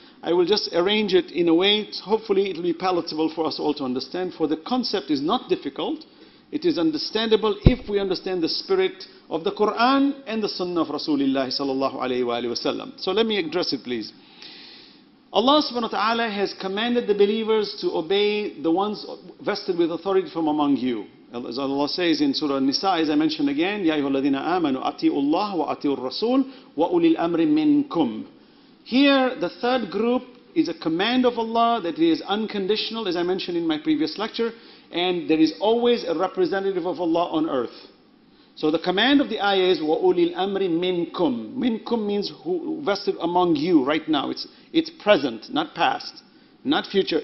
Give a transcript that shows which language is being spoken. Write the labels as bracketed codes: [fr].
[en] I will just arrange it in a way, hopefully it will be palatable for us all to understand, for the concept is not difficult. It is understandable if we understand the spirit of the Quran and the Sunnah of Rasulullah sallallahu alayhi wa sallam. So let me address it, please. Allah subhanahu wa ta'ala has commanded the believers to obey the ones vested with authority from among you. As Allah says in Surah An-Nisa, as I mentioned again, [ar] يَا أَيُّهَا الَّذِينَ آمَنُوا أَطِيعُوا اللَّهَ وَأَطِيعُوا الرَّسُولَ وَأُولِي الْأَمْرِ مِنْكُمْ. [en] Here, the third group is a command of Allah that is unconditional, as I mentioned in my previous lecture, and there is always a representative of Allah on earth. So the command of the ayah is [ar] وَأُولِي الْأَمْرِ مِنْكُمْ. [en] مِنْكُمْ means who vested among you right now. It's present, not past, not future.